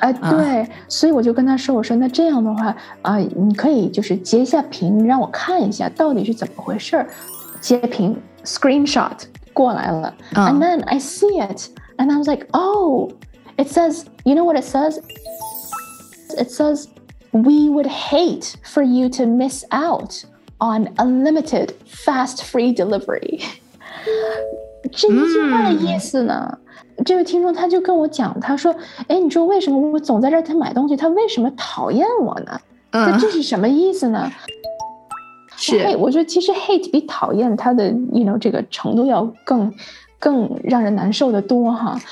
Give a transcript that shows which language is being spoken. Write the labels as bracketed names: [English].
[Chinese] 对，所以我就跟他说，我说那这样的话、你可以就是截一下屏让我看一下到底是怎么回事，截屏 screenshot 过来了、 [English] and then I see it and I was like, oh, it says, you know what it says? It says, we would hate for you to miss out on unlimited fast free delivery. [Chinese] 这一句话的意思呢、这位听众他就跟我讲，他说哎，你说为什么我总在这儿买东西，他为什么讨厌我呢、这是什么意思呢？是 hate, 我觉得其实 hate 比讨厌他的 [English] you know, [Chinese] 这个程度要更让人难受的多哈。